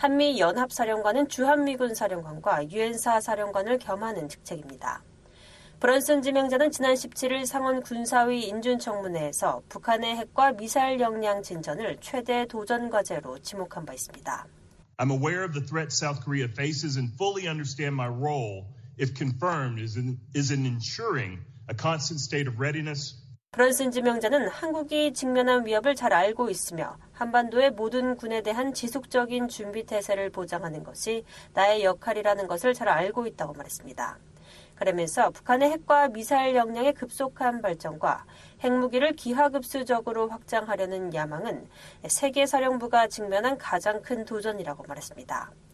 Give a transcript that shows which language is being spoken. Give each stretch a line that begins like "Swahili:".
Korean: 한미연합사령관은 주한미군사령관과 유엔사사령관을 겸하는 직책입니다. 브런슨 지명자는 지난 17일 상원 군사위 인준청문회에서 북한의 핵과 미사일 역량 진전을 최대 도전 과제로 지목한 바 있습니다.
English: I'm aware of the threat South Korea faces and fully understand my role, if confirmed, is in ensuring a constant state of readiness.
Korean: 브런슨 지명자는 한국이 직면한 위협을 잘 알고 있으며 한반도의 모든 군에 대한 지속적인 준비태세를 보장하는 것이 나의 역할이라는 것을 잘 알고 있다고 말했습니다. 그러면서 북한의 핵과 미사일 역량의 급속한 발전과 핵무기를 기하급수적으로 확장하려는 야망은 세계사령부가 직면한 가장 큰 도전이라고 말했습니다.